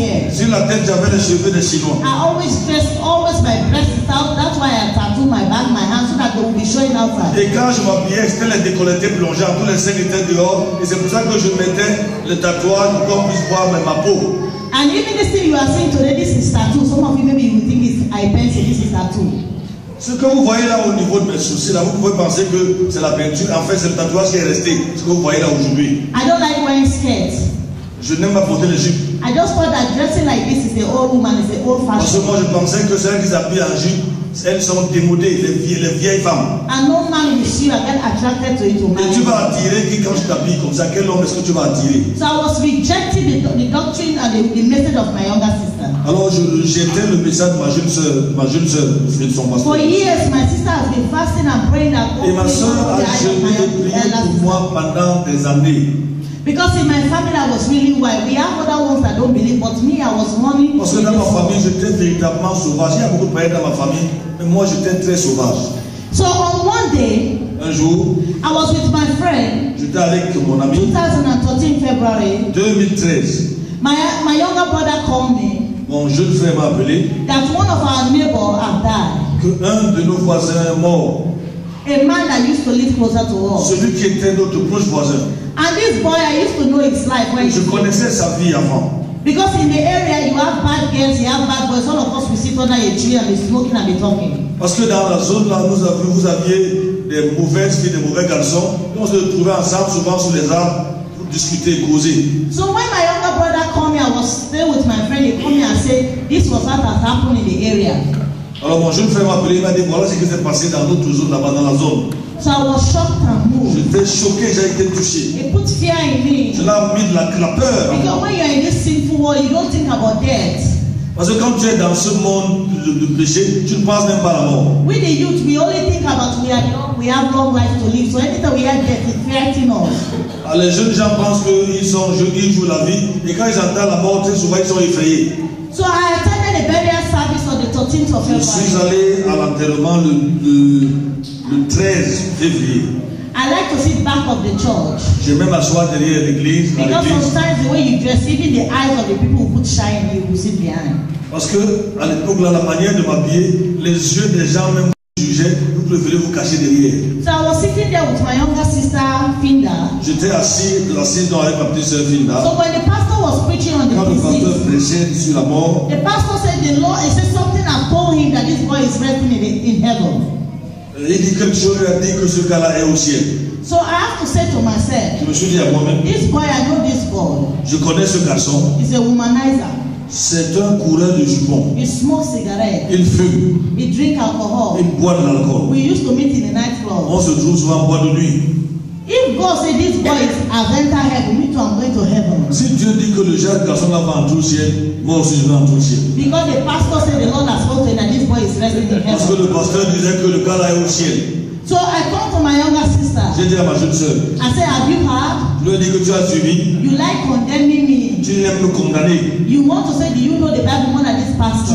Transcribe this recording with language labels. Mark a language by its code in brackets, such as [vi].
[fr] Sur la tête, j'avais les cheveux des Chinois. [en] I always dress, always my breast is out. That's why I tattoo my back, my hands, so that they will be showing outside. [fr] Et quand je m'habillais, c'était les décolletés plongeants, tous les seins étaient dehors. Et c'est pour ça que je mettais le tatouage pour qu'on puisse voir ma peau. [en] And even this thing you are seeing today, this is tattoo. Some of you maybe you think it's eye pencil, this is tattoo. [fr] Ce que vous voyez là au niveau de mes sourcils, là, vous pouvez penser que c'est la peinture. En fait, c'est le tatouage qui est resté. Ce que vous voyez là aujourd'hui. [en] I don't like wearing skirts. [fr] Je n'aime pas porter les jupes. [en] I just thought that dressing like this is the old woman, is the old fashion. [fr] Parce que moi, je pensais que celles qui s'habillent en jupe, elles sont démodées, les vieilles femmes. [en] And no man will see you again attracted to it. [fr] Et tu vas attirer qui quand je t'habille comme ça? Quel homme est-ce que tu vas attirer? [en] So I was rejecting the doctrine and the message of my younger sister. [fr] Alors, j'étais le message de ma jeune sœur, de son pasteur. [en] For years, my sister has been fasting and praying that God. [fr] Et ma sœur a jeûné et prié pour moi pendant des années. [en] Because in my family, I was really wild. We have other ones that don't believe, but me, I was running. [fr] Parce que dans ma famille, j'étais véritablement sauvage. Il y a beaucoup de païens dans ma famille, mais moi, j'étais très sauvage. [en] So on one day, [fr] un jour, [en] I was with my friend. [fr] J'étais avec mon ami. [en] 2013 February. [fr] 2013. [en] My younger brother called me. [fr] Mon jeune frère m'a appelé. [en] That one of our neighbors have died. [fr] Que un de nos voisins est mort. [en] A man that used to live closer to us. [fr] Celui qui était notre proche voisin. [en] And this boy, I used to know his life when. [fr] Je connaissais sa vie avant. [en] Because in the area you have bad girls, you have bad boys. All of us we sit under a tree and be smoking and be talking. [fr] Parce que dans la zone là, vous aviez des mauvaises filles, des mauvais garçons. Et on se trouvait ensemble souvent sous les arbres pour discuter, causer. [en] So when my younger brother. I was staying with my friend. He called me and said, "This was what has happened in the area." [fr] Alors mon jeune frère m'a appelé, m'a dit, voilà ce qui s'est passé dans notre zone là-bas dans la zone. [en] So I was shocked and moved. [fr] J'étais choqué, j'ai été touché. [en] It put fear in me. [fr] Cela a mis de la peur. [en] Because when you are in this sinful world, you don't think about death. [fr] Parce que quand tu es dans ce monde de péché, tu ne penses même pas à la mort. [en] We the youth, we only think about we are young, we have long life to live. So anything we have, it's frightening us. [fr] Les jeunes gens pensent qu'ils sont jeunes, ils jouent la vie, et quand ils entendent la mort, très souvent ils sont effrayés. [en] So I attended a burial service on the 13th of February. [fr] Je suis allé à l'enterrement le 13 février. [en] I like to sit back of the church. [fr] Je vais m'asseoir derrière l'église. [en] Because sometimes the way you dress, even the eyes of the people who put shine, you will sit behind. [fr] Parce que à l'époque là, la manière de m'habiller, les yeux des gens même jugeaient. Vous préférez vous cacher derrière. [en] So I was sitting there with my younger sister Finda. [fr] J'étais assis dans avec ma petite sœur Finda. [en] So when the pastor was preaching on the [fr] disease, quand le pasteur prêchait sur la mort, [en] the pastor said the Lord, he said something upon him that this boy is resting in heaven. [fr] Il dit quelque chose, il a dit que ce gars-là est au ciel. [en] So I have to say to myself, [fr] je me suis dit à moi-même, [en] this boy, I know this boy. [fr] Je connais ce garçon. [en] He's a womanizer. [fr] C'est un coureur de jupons. [en] He smokes cigarettes. [fr] Il fume. [en] He drinks alcohol. [fr] Il boit de l'alcool. [en] We used to meet in the nightclub. [fr] On se trouve souvent en boîte de nuit. [en] If God says this boy is entering heaven, me too, I'm going to heaven. [fr] Si Dieu dit que le jeune garçon va entrer au ciel, moi aussi je vais entrer au ciel. [en] Because the pastor said the Lord has spoken and this boy is resting in heaven. [fr] Parce que le pasteur disait que le gars là est au ciel. [en] So I come to my younger sister. [fr] J'ai dit à ma jeune sœur. [en] I said, have you heard? [fr] Je lui ai dit que tu as suivi. [en] You like condemning me. [fr] Tu aimes me condamner. [en] You want to say, do you know the Bible more than this pastor?